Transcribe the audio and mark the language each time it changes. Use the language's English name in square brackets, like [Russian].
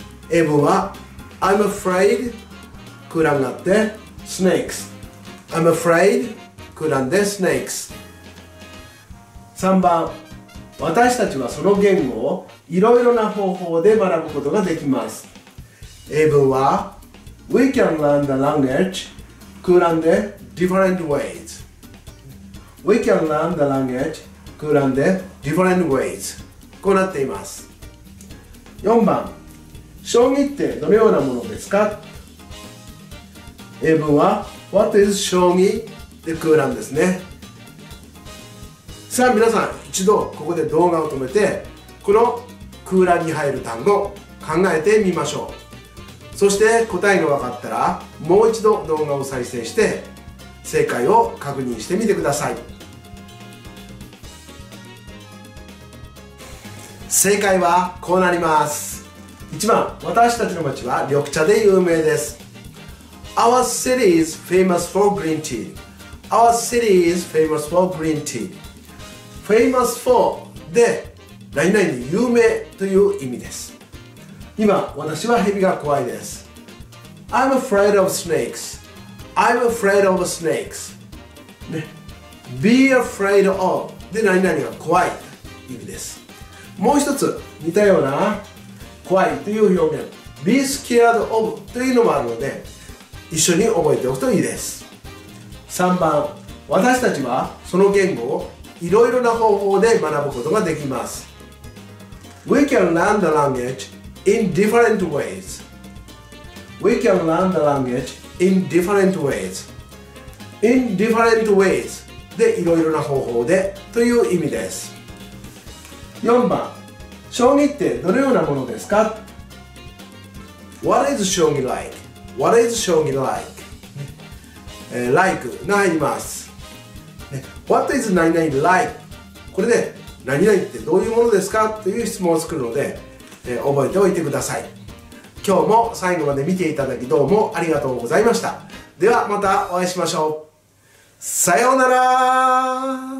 [Japanese] 英文は [English] I'm afraid [Japanese] 空欄があって [English] snakes、 [Japanese] I'm afraid 空欄で snakes。 3番、私たちはその言語をいろいろな方法で学ぶことができます。 [English] 英文は We can learn the language [Japanese] 空欄で [English] different ways、 We can learn the language 空欄で different ways、 [Japanese] こうなっています。 4番、将棋ってどのようなものですか。英文は [English] What is [Japanese] 将棋で空欄ですね。さあ皆さん、一度ここで動画を止めて、この空欄に入る単語考えてみましょう。そして答えが分かったら、もう一度動画を再生して正解を確認してみてください。正解はこうなります。1番、私たちの町は緑茶で有名です。 [English] Our city is famous for green tea。 Our city is famous for green tea。 [Japanese] Famous for で、何々に有名という意味です。今、私は蛇が怖いです。 [English] I'm afraid of snakes. I'm afraid of snakes.、ね、Be afraid of [Japanese] で、何々が怖いという意味です。もう一つ、似たような怖いという表現、Be scared of というのもあるので、一緒に覚えておくといいです。 3番、私たちはその言語をいろいろな方法で学ぶことができます。 [English] We can learn the language in different ways. We can learn the language in different ways. In different ways [Japanese] でいろいろな方法でという意味です。 4番、将棋ってどのようなものですか。 [English] What is 将棋 like? What is 将棋 like? [Japanese] Like が入ります。 [English] What is 何々 like? [Japanese] これで何々ってどういうものですかという質問を作るので、覚えておいてください。今日も最後まで見ていただきどうもありがとうございました。ではまたお会いしましょう。さようなら。